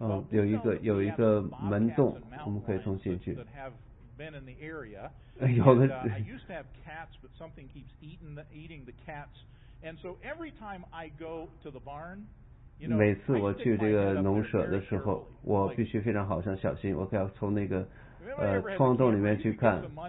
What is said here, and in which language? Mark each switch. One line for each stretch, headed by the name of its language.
Chinese: 有一个门洞，我们可以从进去。
English: Been in the area. And, I used to have cats, but something keeps eating the cats. And so every time I go to the barn, you know,
Chinese: 每次我去这个农舍的时候，我必须非常好，像小心，我可要从那个窗洞里面去看。